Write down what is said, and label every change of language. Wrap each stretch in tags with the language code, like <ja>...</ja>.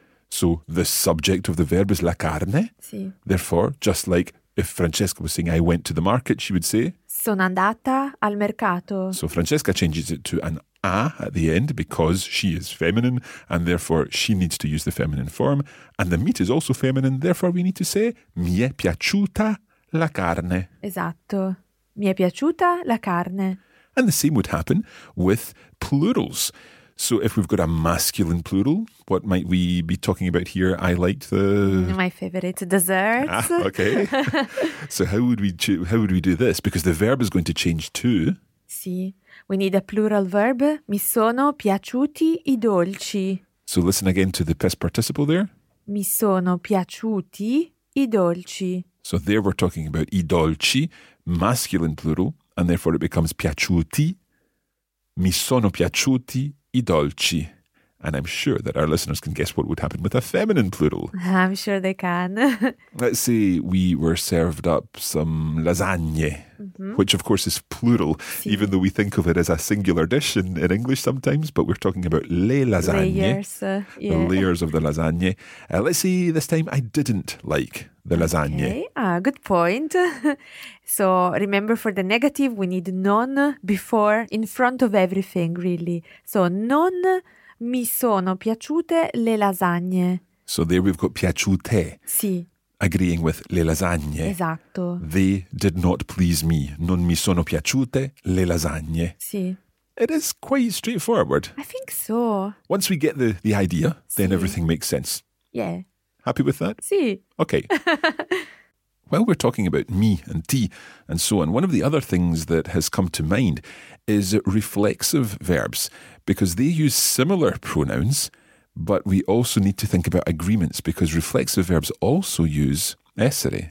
<en>So the subject of the verb is</en> <it>la carne. Sì.</it> <en>Therefore, just like if Francesca was saying I went to the market, she would say</en> <it>sono andata al mercato.</it> <en>So Francesca changes it to an a at the end because she is feminine and therefore she needs to use the feminine form. And the meat is also feminine. Therefore, we need to say</en> <it>mi è piaciuta la carne. Esatto. Mi è piaciuta la carne.</it> <en>And the same would happen with plurals. So if we've got a masculine plural, what might we be talking about here? I liked the... My favorite dessert. Ah, okay. So how would we do this? Because the verb is going to change too.</en> <it>Sì.</it> <en>We need a plural verb.</en> <it>Mi sono piaciuti i dolci.</it> <en>So listen again to the past participle there.</en> <it>Mi sono piaciuti i dolci.</it> <en>So there we're talking about</en> <it>i dolci,</it> <en>masculine plural, and therefore it becomes piaciuti.</en> <it>Mi sono piaciuti i dolci.</it> <en>And I'm sure that our listeners can guess what would happen with a feminine plural. I'm sure they can. Let's say we were served up some lasagne, which of course is plural, si. Even though we think of it as a singular dish in English sometimes, but we're talking about</en> <it>le lasagne.</it> <en>Layers. The layers of the lasagne. Let's say this time I didn't like the lasagne. Okay, good point. So remember for the negative, we need non before, in front of everything, really. So</en> <it>non mi sono piaciute le lasagne.</it> <en>So there we've got piaciute.</en> <it>Sì.</it> <en>agreeing with</en> <it>le lasagne. Esatto.</it> <en>They did not please me.</en> <it>Non mi sono piaciute le lasagne. Sì.</it> <en>It is quite straightforward. I think so. Once we get the idea, then everything makes sense. Yeah. Happy with that?</en> <it>Sì.</it> <en>Okay. While we're talking about me and tea and so on, one of the other things that has come to mind is reflexive verbs, because they use similar pronouns, but we also need to think about agreements, because reflexive verbs also use essere.</en>